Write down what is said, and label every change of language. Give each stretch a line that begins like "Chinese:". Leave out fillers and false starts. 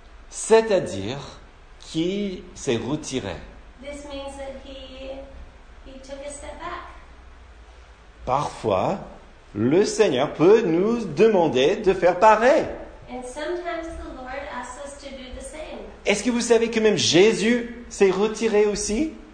French: C'est-à-dire qu'il s'est retiré.
English: This means that he took a step back.
French: Parfois, le Seigneur peut nous demander de faire pareil.
English: And sometimes the Lord asks us to do the same.
French: Est-ce que vous savez que même Jésus s'est retiré aussi?